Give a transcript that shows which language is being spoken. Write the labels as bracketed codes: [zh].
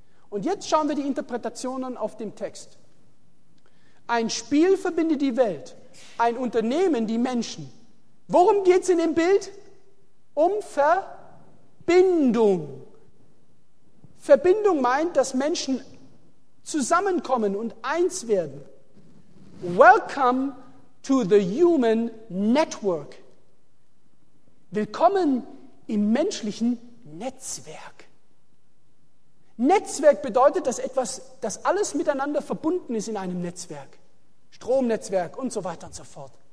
[de] Und jetzt schauen wir die Interpretationen auf dem Text. Ein Spiel verbindet die Welt, ein Unternehmen die Menschen. Worum geht es in dem Bild? Um Verbindung. Verbindung meint, dass Menschen zusammenkommen und eins werden. [en] Welcome to the human network. [de] Willkommen im menschlichen Netzwerk. Netzwerk bedeutet, dass etwas, dass alles miteinander verbunden ist in einem Netzwerk. Stromnetzwerk und so weiter und so fort.